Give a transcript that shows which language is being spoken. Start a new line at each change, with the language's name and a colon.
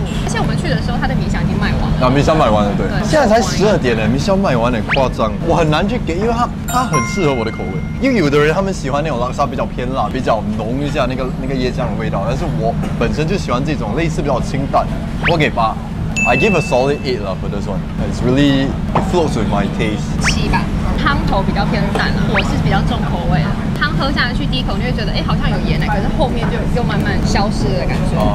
Chinese: 而且我们去的时候，他的米香已经卖完了。啊，米香卖完了，对。现在才十二点呢，米香卖完了，夸张。我很难去给，因为它很适合我的口味。因为有的人他们喜欢那种拉沙比较偏辣，比较浓一下那个椰浆的味道，但是我本身就喜欢这种类似比较清淡。我给八。
English: I give a solid 8 lah for this one. It's really, it floats with my taste.
Chinese: 7吧，汤头比较偏淡了，我是比较重口味的。汤喝下去第一口就会觉得，好像有椰奶，可是后面就又慢慢消失的感觉。